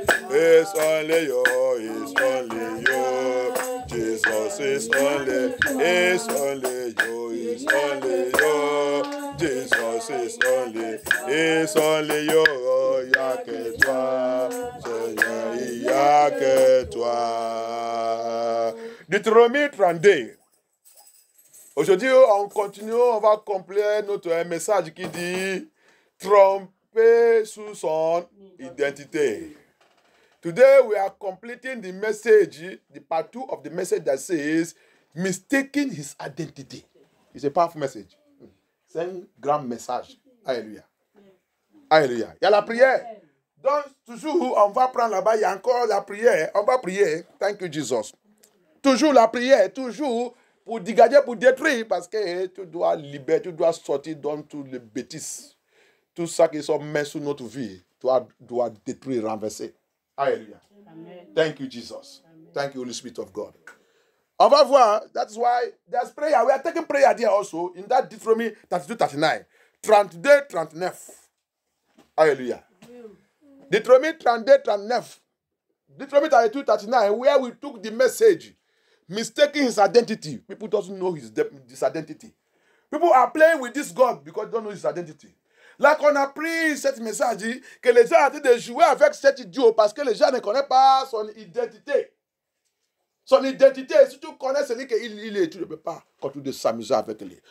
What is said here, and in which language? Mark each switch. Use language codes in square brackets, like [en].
[en] It's only you, it's only you, Jesus is only, it's only you, it's only you, Jesus is only, it's only you, [fr] y'a que toi, Seigneur, y'a que toi. Deutéronome 32. Aujourd'hui, on continue, on va compléter notre message qui dit tromper sous son identité. [en] Today we are completing the message, the part two of the message that says mistaking his identity. It's a powerful message. [fr] C'est un grand message. Alléluia. Alléluia. Il y a la prière. Donc toujours on va prendre là-bas, il y a encore la prière. On va prier. [en] Thank you Jesus. [fr] Toujours la prière, toujours pour dégager, pour détruire, parce que tu dois libérer, tu dois sortir dans toutes les bêtises. Tout ça qui sont mis sous notre vie, toi dois détruire, renverser. Alléluia. Amen. [en] Thank you, Jesus. Amen. Thank you, Holy Spirit of God. [fr] On va voir. [en] That's why there's prayer. We are taking prayer there also in that Deuteronomy 32-39. 32-39. Alléluia. Deuteronomy 32-39. Deuteronomy 32-39, where we took the message, mistaking his identity. People don't know his identity. People are playing with this God because they don't know his identity. [fr] Là qu'on a pris cette message, que les gens arrêtent de jouer avec cette Dieu parce que les gens ne connaissent pas son identité. Son identité, si tu connais celui qu'il est, tu ne peux pas continuer de s'amuser avec lui.